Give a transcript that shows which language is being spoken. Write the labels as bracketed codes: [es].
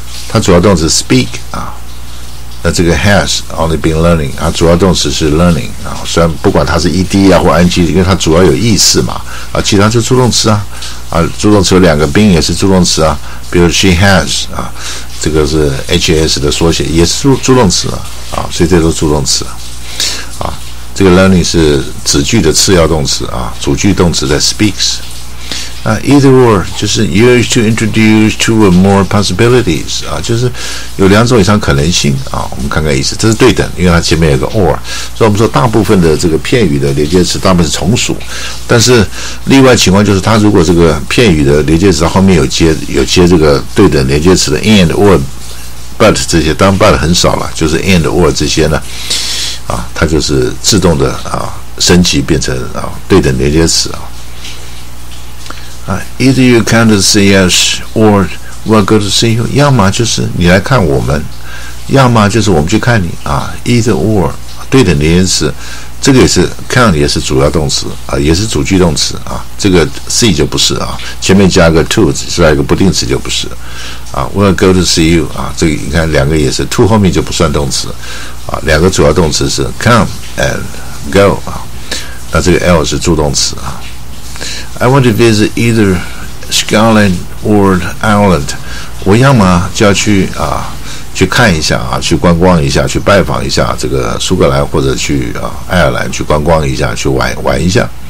[zh] 它主要动词 speak 啊，那这个 [en] has only been learning [zh] 啊，主要动词是 learning 啊，虽然不管它是 ed 啊或 ing， 因为它主要有意思嘛啊，其他就助动词啊啊，助动词有两个 been 也是助动词啊，比如 she has 啊，这个是 has 的缩写，也是助动词啊啊，所以这都是助动词啊。这个 learning 是子句的次要动词啊，主句动词在 speaks。啊 ，either or 就是 [en] used to introduce two or more possibilities [zh] 啊，就是有两种以上可能性啊。我们看看意思，这是对等，因为它前面有个 or， 所以我们说大部分的这个片语的连接词大部分是从属，但是例外情况就是它如果这个片语的连接词后面有接这个对等连接词的 and or but 这些，当 but 很少了，就是 and or 这些呢。啊，它就是自动的啊升级变成啊对等连接词啊。 [en] 啊 ，either you come to see us or we'll go to see you， [zh] 要么就是你来看我们，要么就是我们去看你啊。 either or 对等连接词，这个也是 come 也是主要动词啊，也是主句动词啊。这个 see 就不是啊，前面加个 to 是一个不定词就不是啊。 [en] we'll go to see you [zh] 啊，这个你看两个也是 to 后面就不算动词。啊，两个主要动词是 come and go 啊，那这个 l 是助动词啊。 [en] I want to visit either Scotland or Ireland， [zh] 我要么就要去啊，去看一下啊，去观光一下，去拜访一下这个苏格兰，或者去啊爱尔兰去观光一下，去玩一下。